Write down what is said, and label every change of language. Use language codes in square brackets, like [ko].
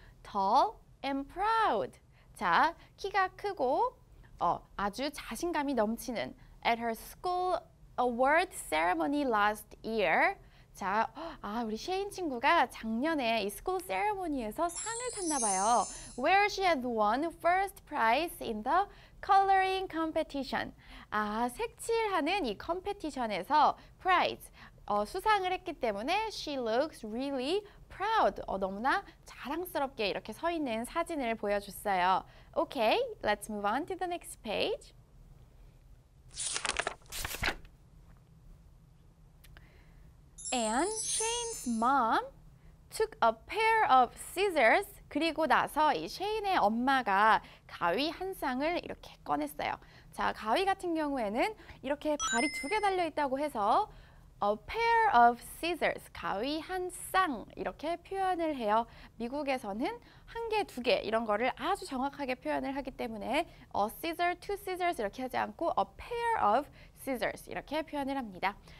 [en] Tall and proud. [ko] 자, 키가 크고 아주 자신감이 넘치는 [en] at her school award ceremony last year. [ko] 자, 우리 쉐인 친구가 작년에 이 스쿨 세레모니에서 상을 탔나 봐요. [en] Where she had won first prize in the coloring competition. [ko] 아, 색칠하는 이 컴페티션에서 prize, 수상을 했기 때문에 [en] she looks really proud. [ko] 너무나 자랑스럽게 이렇게 서 있는 사진을 보여줬어요. [en] Okay, let's move on to the next page. And Shane's mom took a pair of scissors. [ko] 그리고 나서 이 쉐인의 엄마가 가위 한 쌍을 이렇게 꺼냈어요. 자, 가위 같은 경우에는 이렇게 발이 두 개 달려 있다고 해서 [en] a pair of scissors, [ko] 가위 한 쌍 이렇게 표현을 해요. 미국에서는 한 개, 두 개 이런 거를 아주 정확하게 표현을 하기 때문에 [en] a scissor, two scissors [ko] 이렇게 하지 않고 [en] a pair of scissors [ko] 이렇게 표현을 합니다.